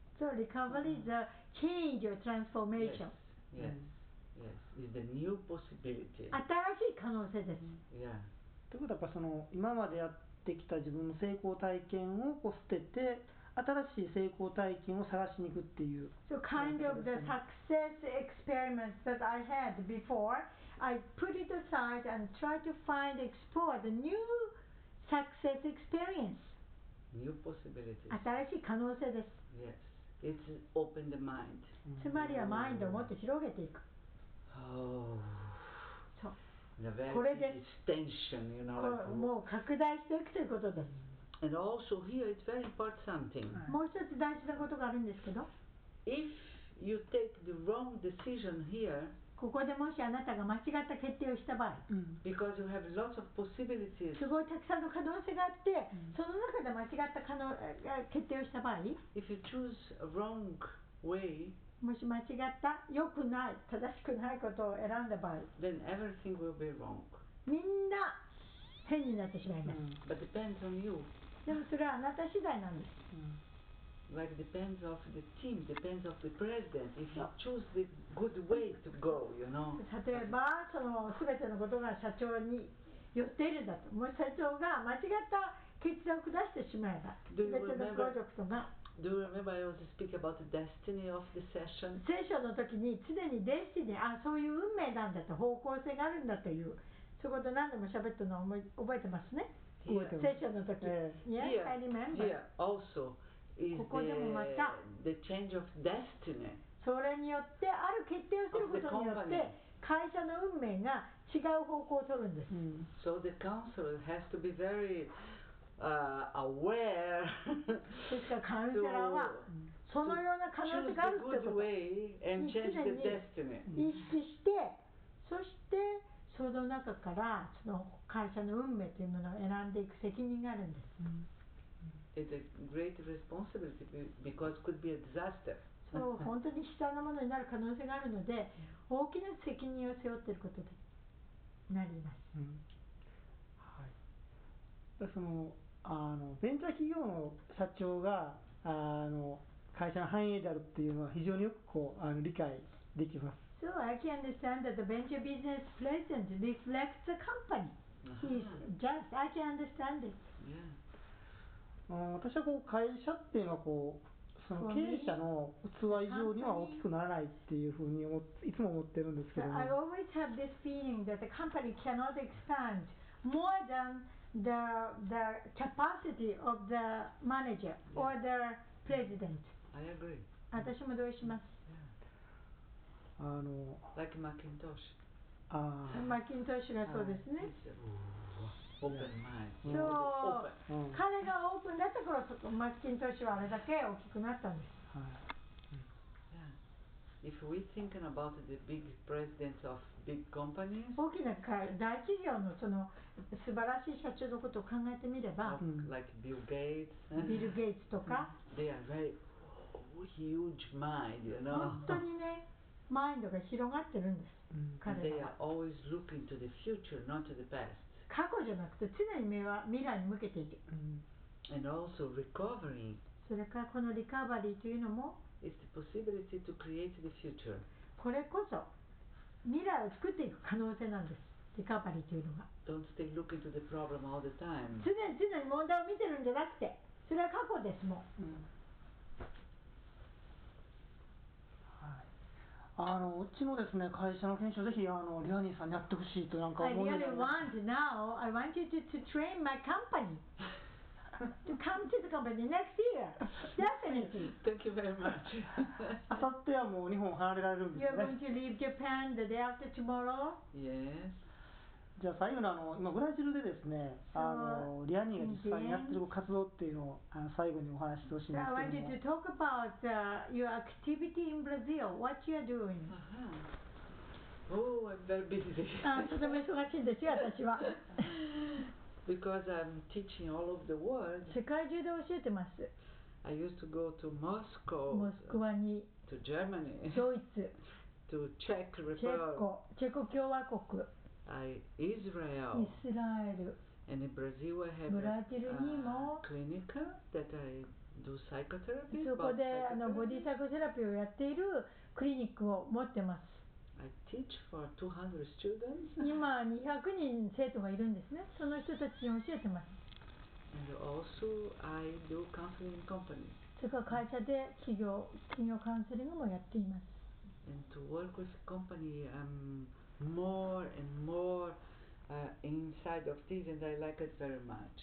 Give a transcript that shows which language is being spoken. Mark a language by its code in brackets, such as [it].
[en] So recovery is a change or transformation. Yes, yes, yes. It's the new possibility. [ja] 新しい可能性です。 [en] Yeah. [ja] ということはやっぱその今までやってきた自分の成功体験をこう捨てて新しい成功体験を探しに行くっていう。 [en] So kind of the success experiments that I had before, I put it aside and try to find, explore the new success experience. New possibilities. [ja] 新しい可能性です。 [en] Yes. It's open the mind. [ja] つまりはマインドをもっと広げていく。 Oh. そう。 [en] The very [ja] これです。 [en] Extension, you know, [ja] もう拡大していくということです。 [en] And also here it's very important something. [ja] もう一つ大事なことがあるんですけど。 [en] If you take the wrong decision here, [ja] ここでもしあなたが間違った決定をした場合、 [en] Because you have lots of possibilities. [ja] すごいたくさんの可能性があって、その中で間違った決定をした場合、 [en] If you choose a wrong way, [ja] もし間違った良くない正しくないことを選んだ場合、 [en] Then everything will be wrong. [ja] みんな変になってしまいます。 [en] But depends on you. [ja] でもそれはあなた次第なんです。 [en] Like depends of the team, depends of the president. If you choose the good way to go, you know. [ja] 例えば、そのすべてのことが社長に寄っているんだと、もし社長が間違った決断を下してしまえば、すべてのプロジェクトが。 [en] Do you remember I was speaking about the destiny of the session? [ja] 聖書の時に常にデスティニー、あ、そういう運命なんだと、方向性があるんだという、そういうことを何度も喋ったのを覚えてますね。聖書の時。 [en] Yeah, yeah, I remember. Yeah, also. [ja] ここでもまた [en] the change of destiny. [ja] それによってある決定をすることによって会社の運命が違う方向を取るんです、 [en] So the counselor has to be very aware. [ja] ですからカウンセラーはそのような可能性があるってことを常に意識して、そしてその中からその会社の運命というものを選んでいく責任があるんです、 [en] It's a great responsibility because it could be a disaster. [ja] そう、本当に悲惨なものになる可能性があるので、大きな責任を背負っていることです。なります、うん、はい、あのベンチャー企業の社長が会社の繁栄であるっていうのは非常によくこう理解できます。 [en] So I can understand that the venture business present reflects the company is just I can understand it、 yeah. [ja] 私はこう会社っていうのはこうその経営者の器以上には大きくならないっていうふうにいつも思ってるんですけど、 [en] I always have this feeling that the company cannot expand more thanthe capacity of the manager or the president. I agree. [ja] 私も同意します。 [en] Yeah. Like Macintosh. [ja] Macintosh がそうですね。 [en] Open mind. [ja] そう。彼がオープンだったから、Macintosh はあれだけ大きくなったんです。 [en] If we think about the big presidents of big companies, [ja] 大きな大企業のその素晴らしい社長のことを考えてみれば、 [en] like Bill Gates, [ja] Bill Gates とか、 [en] they are very huge mind, you know. [ja] 本当にね、マインドが広がってるんです。彼ら。 [en] They are always looking to the future, not to the past. [ja] 過去じゃなくて常に目は未来に向けている。 [en] And also recovering. [ja] それからこのリカバリーというのも。 [en] It's the possibility to create the future. [ja] これこそ未来を作っていく可能性なんです。リカバリーというのが。 [en] Don't stay looking to the problem all the time. [ja] 常に問題を見てるんじゃなくて、それは過去ですもん。はい。うちのですね、会社の研修ぜひリアニーさんにやってほしいとなんか思います。 [en] I really want now. I want you to train my company. To come to the company next year, definitely. Thank you very much. [ja] 明後日はもう日本を離れられるんですね。 [en] You're going to leave Japan the day after tomorrow. Yes. [ja] じゃあ最後の今ブラジルでですね、リアニーが実際にやってる活動っていうのを最後にお話ししてほしいんですけども。 [en] I want you to talk about your activity in Brazil. What you are doing?、 Oh, I'm very busy. [ja] とても忙しいんですよ、私は。 [en] Because I'm teaching all over the world. [ja] 世界中で教えてます。 [en] I used to go to Moscow. [ja] モスクワに。 [en] To Germany. [ja] ドイツ。 [en] To Czech Republic. [ja] チェコ共和国。 [en] Israel. [ja] イスラエル。 [en] And in Brazil, I have [ja] ブラジルにも。 [en] Clinic that I do psychotherapy. [ja] そこでボディサイコセラピーをやっているクリニックを持ってます。 [en] I teach for 200 students. [ja] 今200人生徒がいるんですね。その人たちに教えてます。 [en] And also I do counseling company. [ja] それから会社で企業カウンセリングもやっています。 [en] And to work with company, I'm more and more inside of this, and I like it very much.